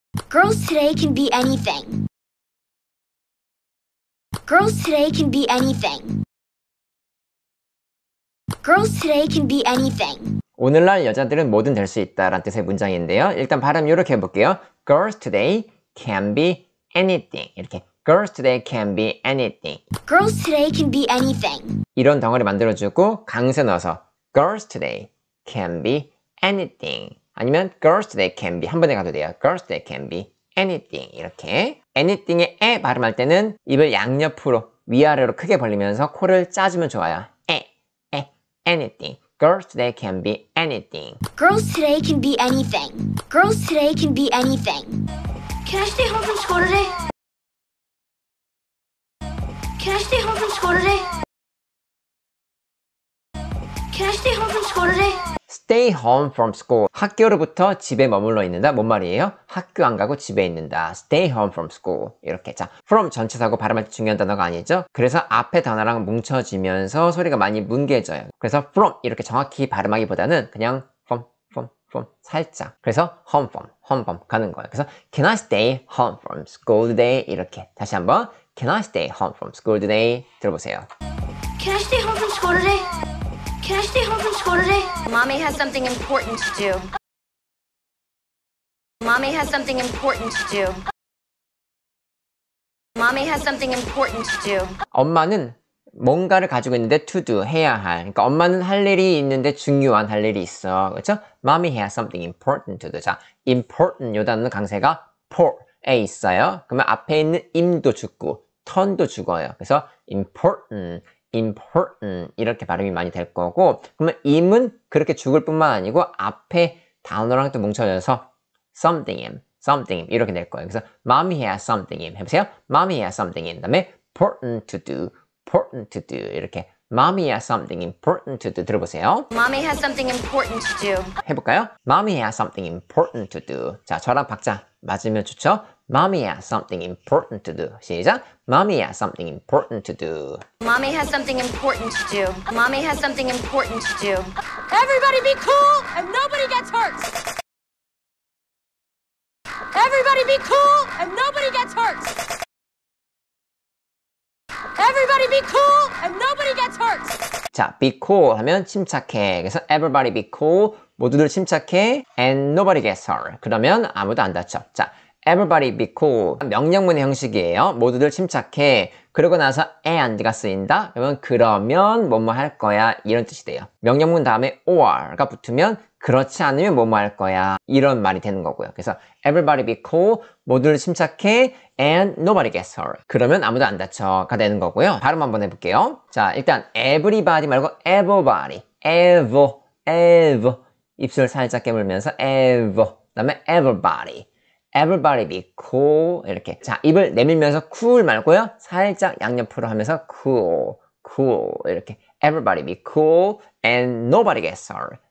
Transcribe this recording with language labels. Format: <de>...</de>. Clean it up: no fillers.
<en>Girls today can be anything. Girls today can be anything. Girls today can be anything.</en> <ko>오늘날 여자들은 뭐든 될 수 있다라는 뜻의 문장인데요. 일단 발음 이렇게 해볼게요.</ko> <en>Girls today can be anything.</en> <ko>이렇게</ko> <en>Girls today can be anything. Girls today can be anything.</en> <ko>이런 덩어리 만들어주고 강세 넣어서</ko> <en>Girls today can be anything.</en> <ko>아니면</ko> <en>Girls today can be</en> <ko>한 번에 가도 돼요.</ko> <en>Girls today can be anything.</en> <ko>이렇게 anything의 에 발음할 때는 입을 양옆으로 위아래로 크게 벌리면서 코를 짜주면 좋아요.</ko> <en>에 anything. Girls today can be anything. Girls today can be anything. Girls today can be anything. Can I stay home from school today? Can I stay home from school today? Can I stay home from school today? Stay home from school.</en> <ko>학교로부터 집에 머물러 있는다. 뭔 말이에요? 학교 안 가고 집에 있는다.</ko> <en>Stay home from school. 이렇게.</en> <ko>자, from 전치사고 발음할 때 중요한 단어가 아니죠? 그래서 앞에 단어랑 뭉쳐지면서 소리가 많이 뭉개져요. 그래서 from 이렇게 정확히 발음하기보다는 그냥 from 살짝. 그래서</ko> <en>home from</en> <ko>가는 거예요. 그래서</ko> <en>Can I stay home from school today?</en> <ko>이렇게 다시 한번</ko> <en>Can I stay home from school today?</en> <ko>들어보세요.</ko> <en>Can I stay home from school today? Can I stay home from school today? Mommy has something important to do. Mommy has something important to do. Mommy has something important to do.</en> <ko>엄마는 뭔가를 가지고 있는데 to do, 해야 할. 그러니까 엄마는 할 일이 있는데 중요한 할 일이 있어. 그렇죠?</ko> <en>Mommy has something important to do.</en> <ko>자, important 요 단어는 강세가 for에 있어요. 그러면 앞에 있는 im도 죽고 turn도 죽어요. 그래서 important 이렇게 발음이 많이 될 거고, 그러면 im은 그렇게 죽을 뿐만 아니고 앞에 단어랑 또 뭉쳐져서</ko> <en>something im</en> <ko>이렇게 될 거예요. 그래서</ko> <en>mommy has something im</en> <ko>해보세요.</ko> <en>mommy has something im</en> <ko>다음에</ko> <en>important to do 이렇게 mommy has something important to do</en> <ko>들어보세요.</ko> <en>mommy has something important to do</en> <ko>해볼까요?</ko> <en>mommy has something important to do.</en> <ko>자, 저랑 박자 맞으면 좋죠?</ko> <en>Mommy has something important to do.</en> <ko>시작.</ko> <en>Mommy has something important to do. Mommy has something important to do. Mommy has something important to do. Everybody be cool and nobody gets hurt. Everybody be cool and nobody gets hurt. Everybody be cool and nobody gets hurt.</en> <ko>자, be cool 하면 침착해. 그래서</ko> <en>everybody be cool.</en> <ko>모두들 침착해.</ko> <en>And nobody gets hurt.</en> <ko>그러면 아무도 안 다쳐. 자,</ko> <en>Everybody be cool.</en> <ko>명령문의 형식이에요. 모두들 침착해. 그러고 나서 and가 쓰인다. 그러면 뭐뭐 할 거야 이런 뜻이 돼요. 명령문 다음에 or가 붙으면 그렇지 않으면 뭐뭐 할 거야 이런 말이 되는 거고요.</ko> <en>그래서 Everybody be cool.</en> <ko>모두들 침착해. And nobody gets hurt. 그러면 아무도 안 다쳐가 되는 거고요. 발음 한번 해볼게요. 자, 일단 everybody 말고 everybody. ever 입술 살짝 깨물면서 ever. 그다음에 everybody.</ko> <en>Everybody be cool.</en> <ko>이렇게. 자, 입을 내밀면서 cool 말고요. 살짝 양옆으로 하면서 cool. 이렇게.</ko> <en>Everybody be cool and nobody gets hurt.</en>